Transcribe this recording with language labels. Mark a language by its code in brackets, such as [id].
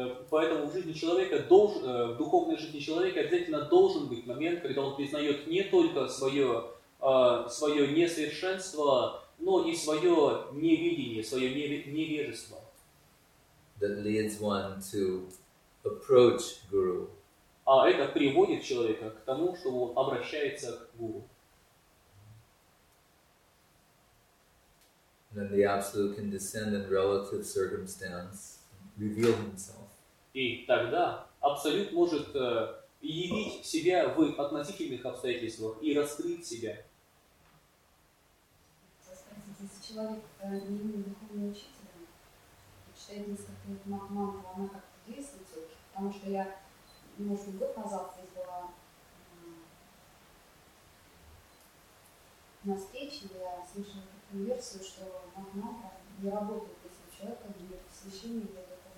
[ru] Поэтому в жизни человека в духовной жизни человека обязательно должен быть момент, когда он признает не только свое несовершенство, но и свое невидение, свое невежество. [en] That leads one to approach Guru. [ru] А это приводит человека к тому, что он обращается к Гуру. [en] And then the Absolute can descend in relative circumstance, reveal himself. [ru] И тогда Абсолют может явить себя в относительных обстоятельствах и раскрыть себя. Скажите, если человек не имеет духовного учителя, читает несколько мантру, она как-то действует, потому что я, может быть, год назад здесь была на встрече, я слышала версию, что мантра не работает, если человек имеет посвящение для духовного учителя.